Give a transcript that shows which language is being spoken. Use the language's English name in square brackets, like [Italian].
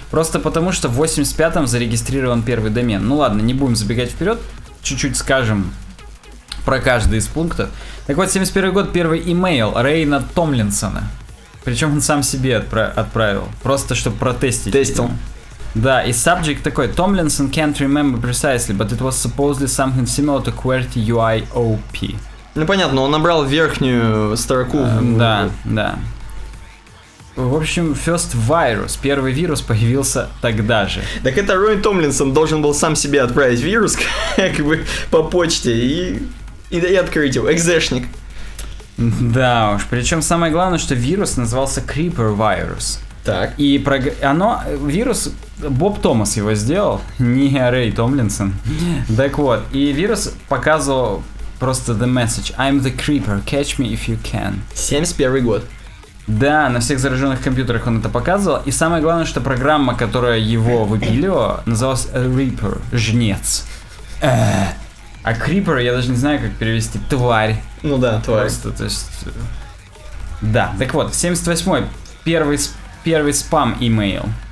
[Russian] Просто потому, что в 85-м зарегистрирован первый домен. Ну ладно, не будем забегать вперед. Чуть-чуть скажем про каждый из пунктов. Так вот, 71 год, первый имейл Рейна Томлинсона. Причем он сам себе отправил. Просто, чтобы протестить. Тестил. Да, и subject такой. [English] Томлинсон can't remember precisely, but it was supposedly something similar to QWERTY UIOP. [Russian] Ну понятно, он набрал верхнюю строку. Да, да. В общем, First Virus, первый вирус появился тогда же. Так это Рой Томлинсон должен был сам себе отправить вирус, как бы, по почте, и открыть его, экзешник. Да уж, причем самое главное, что вирус назывался Creeper Virus. Так. И вирус, Боб Томас его сделал, не Рэй Томлинсон. Так вот, и вирус показывал просто the message. [English] I'm the Creeper, catch me if you can. [Russian] 71 год. Да, на всех зараженных компьютерах он это показывал. И самое главное, что программа, которая его выпилила, называлась Reaper, жнец. А Creeper, я даже не знаю, как перевести, тварь. Ну да, тварь. Просто, то есть... Да, так вот, 78-й, первый спам-имейл.